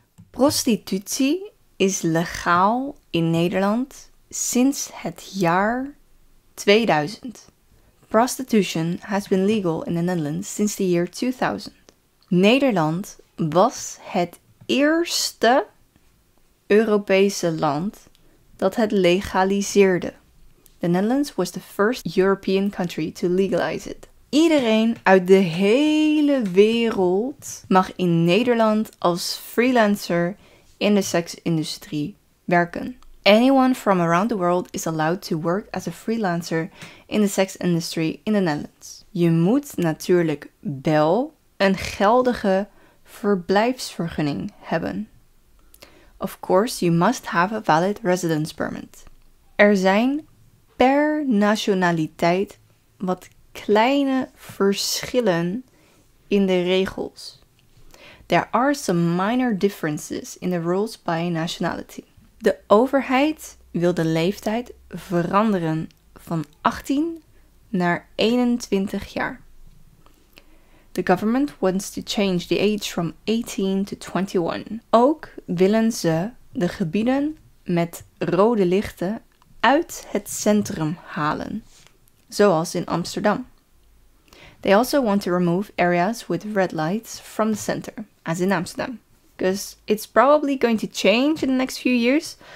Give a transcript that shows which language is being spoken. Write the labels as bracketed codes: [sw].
[nl] Prostitutie is legaal in Nederland sinds het jaar 2000. [en] Prostitution has been legal in the Netherlands since the year 2000. [nl] Nederland was het eerste Europese land dat het legaliseerde. [en] The Netherlands was the first European country to legalize it. [nl] Iedereen uit de hele wereld mag in Nederland als freelancer in de seksindustrie werken. [en] Anyone from around the world is allowed to work as a freelancer in the sex industry in the Netherlands. [nl] Je moet natuurlijk wel een geldige verblijfsvergunning hebben. [en] Of course, you must have a valid residence permit. [nl] Er zijn per nationaliteit wat kleine verschillen in de regels. [en] There are some minor differences in the rules by nationality. [nl] De overheid wil de leeftijd veranderen van 18 naar 21 jaar. [en] The government wants to change the age from 18 to 21. [nl] Ook willen ze de gebieden met rode lichten uit het centrum halen, zoals in Amsterdam. [en] They also want to remove areas with red lights from the center, as in Amsterdam. Because it's probably going to change in the next few years.